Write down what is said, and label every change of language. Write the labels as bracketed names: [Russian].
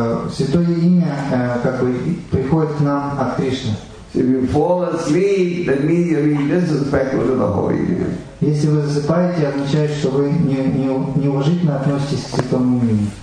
[Russian] Святое имя как бы приходит к нам от Кришны. [English] If you fall asleep, that means you're being disrespectful to the holy name. [Russian] Если вы засыпаете, означает, что вы неуважительно относитесь к святому имени.